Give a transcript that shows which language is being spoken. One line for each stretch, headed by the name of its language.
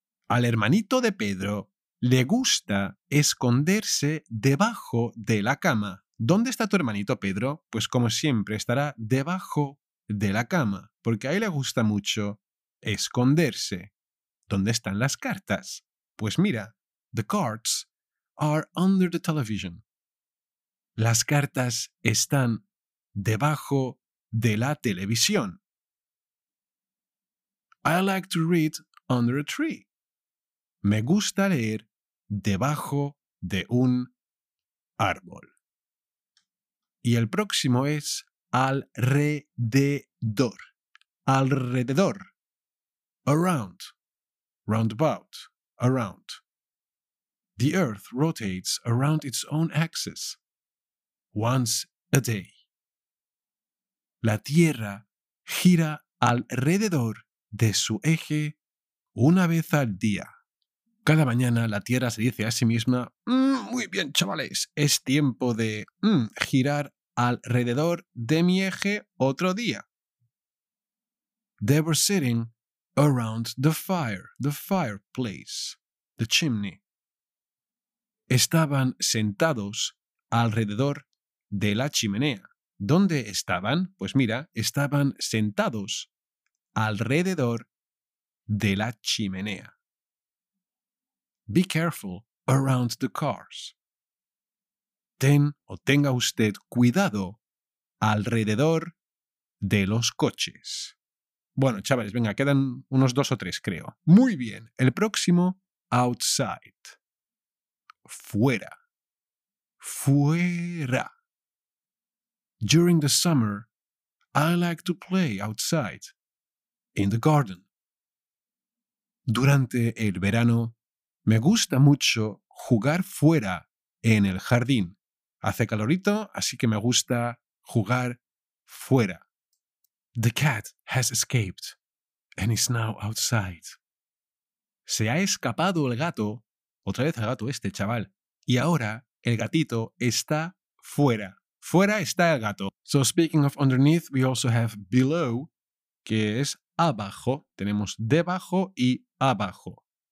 Spanish: Al hermanito de Pedro le gusta esconderse debajo de la cama. ¿Dónde está tu hermanito Pedro? Pues como siempre, estará debajo de la cama, porque a él le gusta mucho esconderse. ¿Dónde están las cartas? Pues mira,
English: the cards are under the television.
Spanish: Las cartas están debajo de la televisión.
English: I like to read under a tree.
Spanish: Me gusta leer debajo de un árbol. Y el próximo es alrededor. Alrededor. Around. Roundabout. Around.
English: The earth rotates around its own axis. Once a day.
Spanish: La tierra gira alrededor de su eje una vez al día. Cada mañana la Tierra se dice a sí misma, muy bien, chavales, es tiempo de girar alrededor de mi eje otro día.
English: They were sitting around the fireplace, the chimney.
Spanish: Estaban sentados alrededor de la chimenea. ¿Dónde estaban? Pues mira, estaban sentados alrededor de la chimenea.
English: Be careful around the cars.
Spanish: Ten o tenga usted cuidado alrededor de los coches. Bueno, chavales, venga, quedan unos dos o tres, creo. Muy bien, el próximo, outside. Fuera. Fuera.
English: During the summer, I like to play outside, in the garden.
Spanish: Durante el verano, me gusta mucho jugar fuera en el jardín. Hace calorito, así que me gusta jugar fuera.
English: The cat has escaped and is now outside.
Spanish: Se ha escapado el gato, otra vez el gato este, chaval, y ahora el gatito está fuera. Fuera está el gato.
English: So speaking of underneath, we also have below,
Spanish: que es abajo. Tenemos debajo y abajo.